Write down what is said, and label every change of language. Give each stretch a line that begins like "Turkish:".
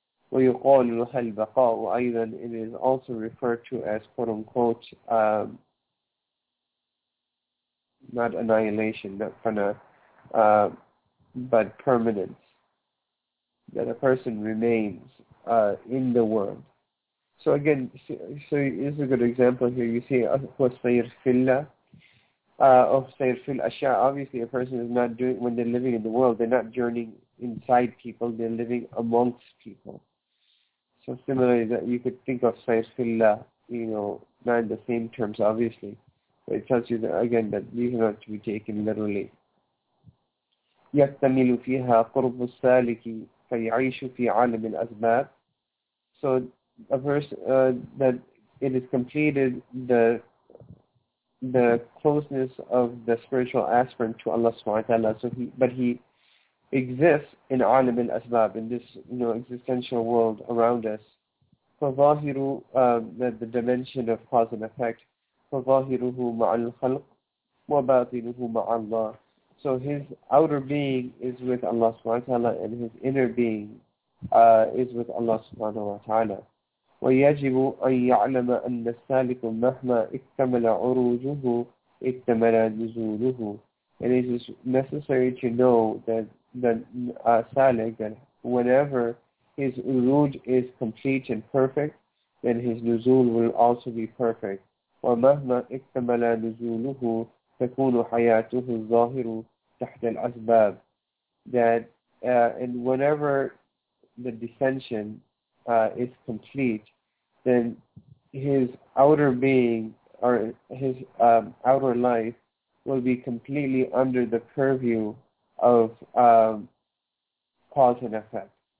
Arabic: ويقال لها البقاء أيضا,
English: it is also referred to as quote unquote, not annihilation, not fana, but permanence, that a person remains in the world. So again, so this is a good example here. You see,
Arabic: وَسَيْرْ فِي اللَّهِ وَسَيْرْ فِي الْأَشْيَاءِ.
English: Obviously, a person is not doing, when they're living in the world, they're not journeying inside people, they're living amongst people. So similarly, that you could think of
Arabic: سَيْرْ فِي اللَّهِ,
English: you know, not in the same terms, obviously. But it tells you, that, again, that these are not to be taken literally.
Arabic: يَكْتَمِلُ فِيهَا قُرْبُ السَّالِكِ فَيَعِيشُ فِي عَالَمِ الْأَزْمَابِ.
English: So a verse that it is completed, the closeness of the spiritual aspirant to Allah subhanahu wa ta'ala, so he exists in alam al asbab, in this, you know, existential world around us. فظاهر the dimension of cause and effect.
Arabic: فظاهره مع الخلق وباطنه مع الله.
English: So his outer being is with Allah subhanahu wa ta'ala, and his inner being is with Allah subhanahu wa ta'ala.
Arabic: ويجب أن يعلم أن السالك مهما اكتمل عروجه اكتمل نزوله.
English: And it is necessary to know that the salik, that whenever his uruj is complete and perfect, then his nuzul will also be perfect.
Arabic: ومهما اكتمل نزوله تكون حياته الظاهر تحت الأسباب.
English: That and whenever the descension is complete, then his outer being or his outer life will be completely under the purview of cause and effect.